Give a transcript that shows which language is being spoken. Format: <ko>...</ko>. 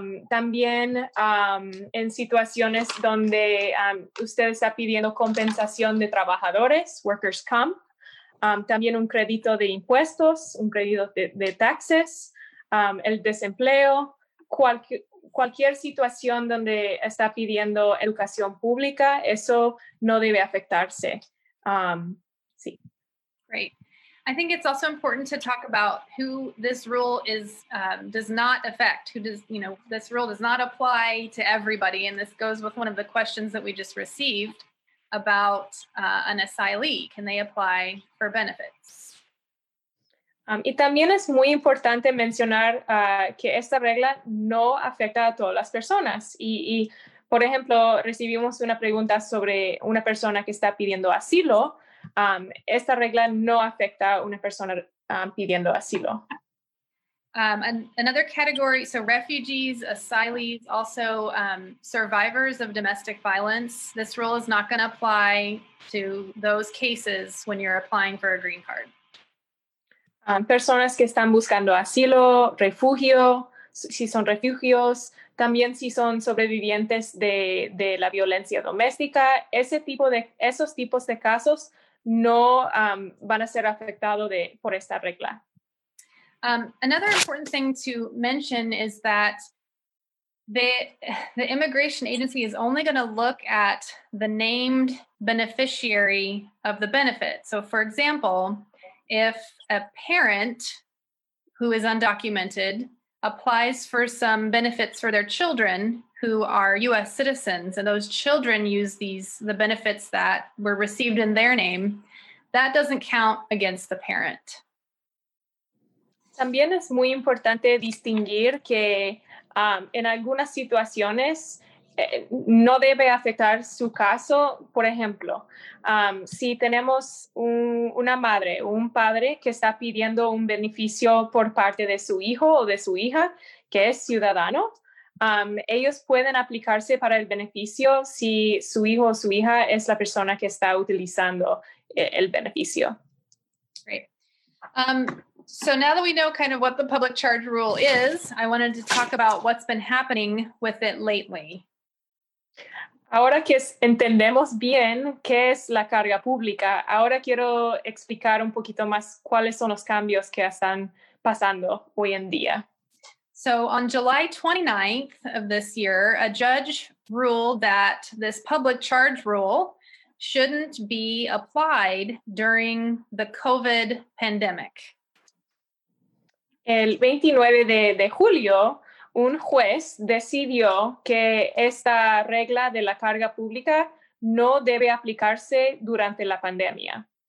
<es>También en situaciones donde usted está pidiendo compensación de trabajadores, workers' comp, también un crédito de impuestos, un crédito de taxes, el desempleo, cualquier situación donde está pidiendo educación pública, eso no debe afectarse. Sí.</es> <en>Great. I think it's also important to talk about who this rule is does not affect, this rule does not apply to everybody. And this goes with one of the questions that we just received about an asylee. Can they apply for benefits?</en> <es>Y también es muy importante mencionar que esta regla no afecta a todas las personas. Y por ejemplo, recibimos una pregunta sobre una persona que está pidiendo asilo. Esta regla no afecta a una persona pidiendo asilo.</es> <en>Another category, so refugees, asylees, also survivors of domestic violence. This rule is not going to apply to those cases when you're applying for a green card.</en> <es>Personas que están buscando asilo, refugio, si son refugios, también si son sobrevivientes de la violencia doméstica, esos tipos de casos no van a ser afectados por esta regla.</es> <en>Another important thing to mention is that the immigration agency is only going to look at the named beneficiary of the benefit. So for example, if a parent who is undocumented applies for some benefits for their children who are U.S. citizens, and those children use the benefits that were received in their name, that doesn't count against the parent.</en> <es>También es muy importante distinguir que en algunas situaciones no debe afectar su caso. Por ejemplo, si tenemos una madre o un padre que está pidiendo un beneficio por parte de su hijo o de su hija, que es ciudadano, ellos pueden aplicarse para el beneficio si su hijo o su hija es la persona que está utilizando el beneficio.</es> <en>Great. So now that we know kind of what the public charge rule is, I wanted to talk about what's been happening with it lately.</en> <es>Ahora que entendemos bien qué es la carga pública, ahora quiero explicar un poquito más cuáles son los cambios que están pasando hoy en día.</es> <en>So on July 29th of this year, a judge ruled that this public charge rule shouldn't be applied during the COVID pandemic.</en> <es>El 29 de julio, un juez decidió que esta regla de la carga pública no debe aplicarse durante la pandemia.</es>